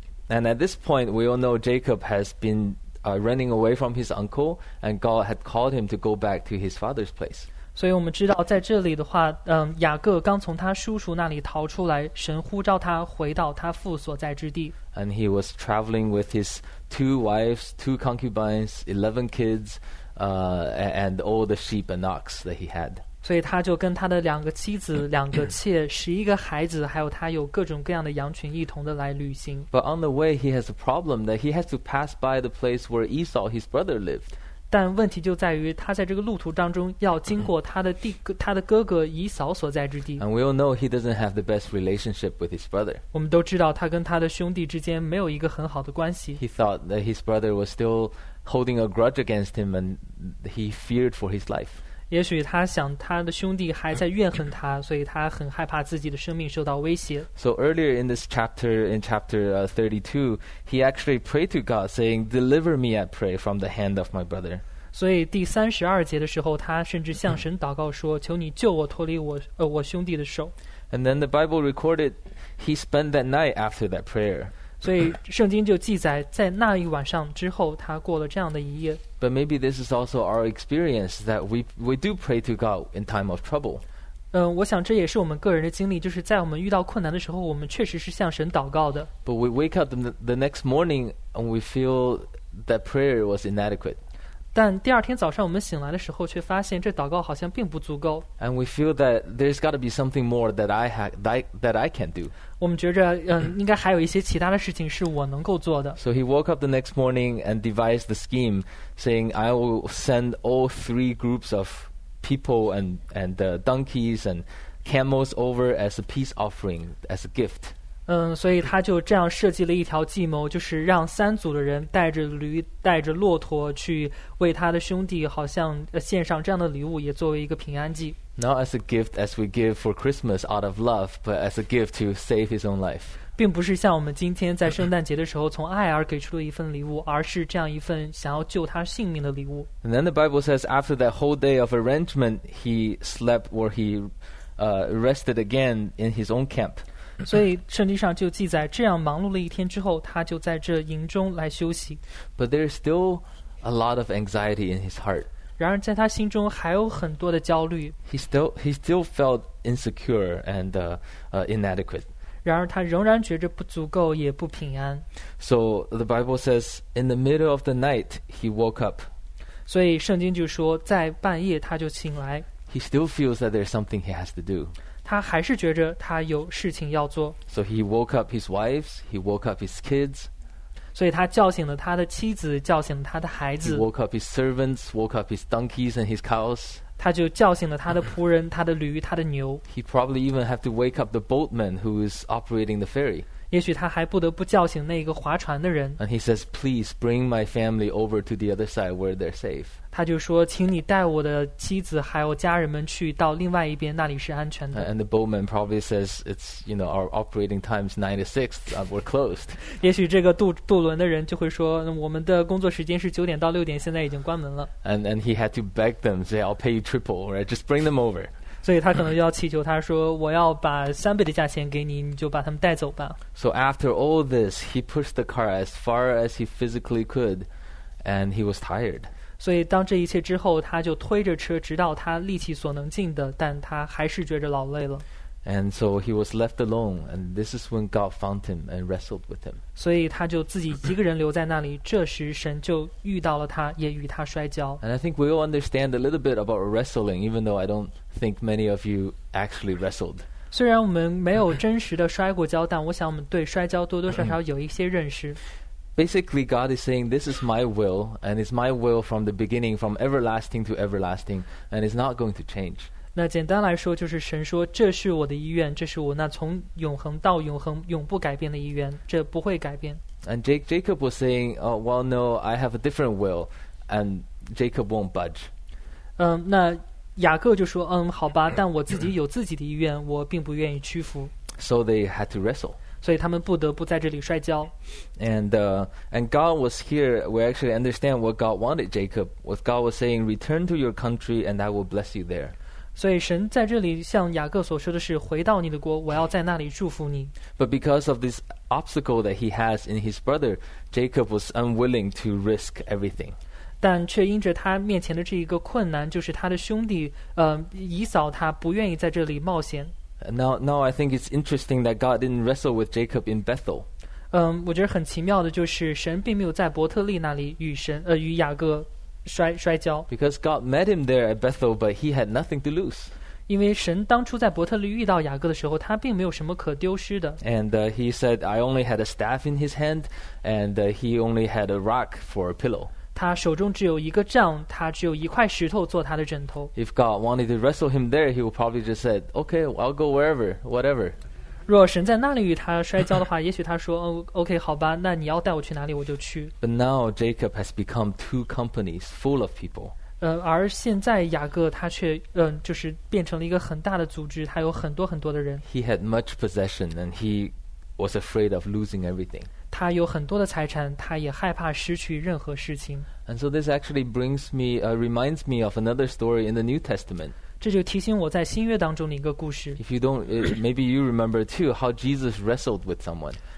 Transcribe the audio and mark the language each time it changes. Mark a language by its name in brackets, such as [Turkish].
[English] And at this point, we all know Jacob has been running away from his uncle, and God had called him to go back to his father's place. [Chinese] 所以我们知道，在这里的话，雅各刚从他叔叔那里逃出来，神呼召他回到他父所在之地。 [English] And he was traveling with his 2 wives, 2 concubines, 11 kids, and all the sheep and ox that he had. [Chinese] 所以他就跟他的两个妻子、两个妾、11个孩子，还有他有各种各样的羊群，一同的来旅行。 [English] But on the way, he has a problem that he has to pass by the place where Esau, his brother, lived. [Chinese] 但问题就在于他在这个路途当中要经过他的弟他的哥哥以扫所在之地。 [English] And we all know he doesn't have the best relationship with his brother. [Chinese] 我们都知道他跟他的兄弟之间没有一个很好的关系。 [English] He thought that his brother was still holding a grudge against him and he feared for his life. [Chinese] 也许他想他的兄弟还在怨恨他，所以他很害怕自己的生命受到威胁。 [English] So earlier in this chapter, in chapter 32, he actually prayed to God saying, deliver me, I pray, from the hand of my brother. [Chinese] 所以第三十二节的时候，他甚至向神祷告说，求你救我脱离我兄弟的手。 [English] And then the Bible recorded he spent that night after that prayer. [Chinese] 所以圣经就记载在那一晚上之后，他过了这样的一夜。 [English] But maybe this is also our experience that we do pray to God in time of trouble. [Chinese] 我想这也是我们个人的经历，就是在我们遇到困难的时候，我们确实是向神祷告的。 [English] But we wake up the next morning and we feel that prayer was inadequate. [Chinese] 但第二天早上我们醒来的时候，却发现这祷告好像并不足够。 [English] And we feel that there's got to be something more that I can do. [Chinese] 我们觉着，应该还有一些其他的事情是我能够做的。 [English] So he woke up the next morning and devised the scheme, saying, "I will send all three groups of people and the donkeys and camels over as a peace offering, as a gift." [Chinese] 所以他就这样设计了一条计谋，就是让三组的人带着驴、带着骆驼去为他的兄弟，好像献上这样的礼物，也作为一个平安祭。 [English] Not as a gift as we give for Christmas out of love, but as a gift to save his own life. [Chinese] 并不是像我们今天在圣诞节的时候从爱而给出的一份礼物，而是这样一份想要救他性命的礼物。 [English] And then the Bible says, after that whole day of arrangement, he slept or he rested again in his own camp. [Chinese] 所以圣经上就记载，这样忙碌了一天之后，他就在这营中来休息。 [English] But there is still a lot of anxiety in his heart. [Chinese] 然而在他心中还有很多的焦虑。 [English] He still felt insecure and inadequate. [Chinese] 然而他仍然觉着不足够，也不平安。 [English] So the Bible says, in the middle of the night, he woke up. [Chinese] 所以圣经就说，在半夜他就醒来。 [English] He still feels that there's something he has to do. [Chinese] 他还是觉着他有事情要做。 [English] So he woke up his wives, he woke up his kids. [Chinese] 所以他叫醒了他的妻子，叫醒了他的孩子。 [English] He woke up his servants, woke up his donkeys and his cows. [Chinese] 他就叫醒了他的仆人，他的驴，他的牛。 [English] He probably even have to wake up the boatman who is operating the ferry. [Chinese] 也许他还不得不叫醒那个划船的人。 [English] And he says, please bring my family over to the other side where they're safe. [Chinese] 他就说，请你带我的妻子还有家人们去到另外一边，那里是安全的。 [English] And the boatman probably says, it's, you know, our operating time is 9 to 6, we're closed. [Chinese] 也许这个渡轮的人就会说，我们的工作时间是9点到6点，现在已经关门了。 [English] And he had to beg them, say, I'll pay you triple, right? Just bring them over. [Chinese] 所以他可能要祈求，他说，我要把三倍的价钱给你，你就把他们带走吧。 [English] So after all this, he pushed the car as far as he physically could, and he was tired. [Chinese] 所以当这一切之后，他就推着车直到他力气所能尽的，但他还是觉着老累了。 [English] And so he was left alone, and this is when God found him and wrestled with him. [Chinese] 所以他就自己一个人留在那里，这时神就遇到了他，也与他摔跤。 [English] And I think we all understand a little bit about wrestling, even though I don't think many of you actually wrestled. [Chinese] 虽然我们没有真实的摔过跤，但我想我们对摔跤多多少少有一些认识。 [English] Basically, God is saying, this is my will, and it's my will from the beginning, from everlasting to everlasting, and it's not going to change. [Chinese] 那简单来说就是神说，这是我的意愿，这是我那从永恒到永恒永不改变的意愿，这不会改变。 [English] And Jacob was saying, oh, well, no, I have a different will, and Jacob won't budge. [Chinese] 那雅各就说，好吧，但我自己有自己的意愿，我并不愿意屈服。 [English] So they had to wrestle. [Chinese] 所以他们不得不在这里摔跤。 [English] And God was here. We actually understand what God wanted Jacob. What God was saying, return to your country and I will bless you there. [Chinese] 所以神在这里向雅各所说的是，回到你的国，我要在那里祝福你。 [English] But because of this obstacle that he has in his brother, Jacob was unwilling to risk everything. [Chinese] 但却因着他面前的这一个困难，就是他的兄弟以扫他不愿意在这里冒险。 [English] Now I think it's interesting that God didn't wrestle with Jacob in Bethel. [Chinese] 我觉得很奇妙的就是神并没有在伯特利那里与雅各摔跤。 [English] Because God met him there at Bethel, but he had nothing to lose. [Chinese] 因为神当初在伯特利遇到雅各的时候，他并没有什么可丢失的。 [English] And he said, I only had a staff in his hand, and he only had a rock for a pillow. [Chinese] 他手中只有一个杖，他只有一块石头做他的枕头。 [English] If God wanted to wrestle him there, he would probably just said, "Okay, I'll go wherever, whatever." [Chinese] 若神在那里与他摔跤的话，也许他说，哦 ，OK， 好吧，那你要带我去哪里，我就去。 [English] But now Jacob has become two companies full of people. [Chinese] 而现在雅各他却就是变成了一个很大的组织，他有很多很多的人。 [English] He had much possession, and he was afraid of losing everything. [Chinese] 他有很多的财产，他也害怕失去任何事情。 [English] And so this actually brings me, reminds me of another story in the New Testament. [Chinese] 这就提醒我在新约当中的一个故事。 [English] If you don't, maybe you remember too how Jesus wrestled with someone.